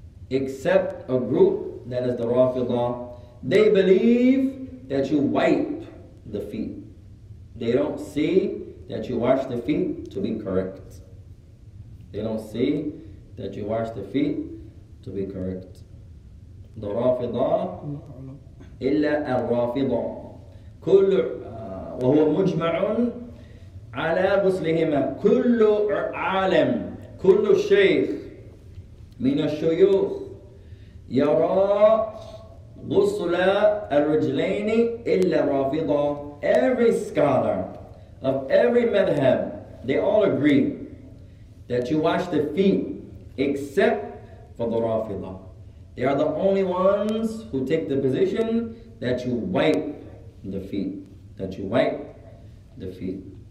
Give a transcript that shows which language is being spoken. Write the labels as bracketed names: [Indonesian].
[English] Except a group that is the Rafidah. They believe that you wipe the feet. They don't see that you wash the feet to be correct. They don't see that you wash the feet to be correct. The Rafidah. [Arabic] إلا الرافضه كل وهو مجمع على غسلهما كل عالم كل شيخ من الشيوخ يرى غسل الرجلين إلا الرافضه. [English] Every scholar of every madhab, they all agree that you wash the feet except for the Rafidah. They are the only ones who take the position that you wipe the feet. That you wipe the feet.